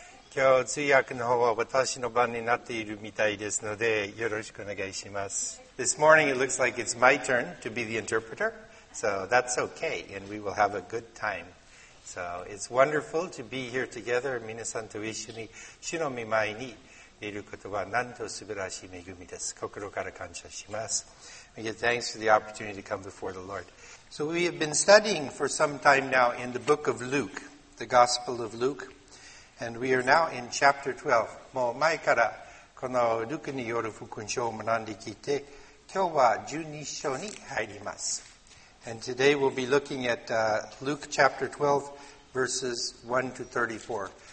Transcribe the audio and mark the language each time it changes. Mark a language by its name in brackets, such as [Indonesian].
[Japanese] 今日通訳の方は私の番になっているみたいですのでよろしくお願いします。 [English] This morning it looks like it's my turn to be the interpreter, so that's okay, and we will have a good time. So it's wonderful to be here together, [Japanese] 皆さんと一緒に主の御前にいることはなんと素晴らしい恵みです。心から感謝します。 [English] We give thanks for the opportunity to come before the Lord. So we have been studying for some time now in the book of Luke, the Gospel of Luke, and we are now in chapter 12. [Japanese] もう前からこのルクによる福音書を学んできて、今日は12章に入ります。 [English] And today we'll be looking at Luke chapter 12, verses 1 to 34.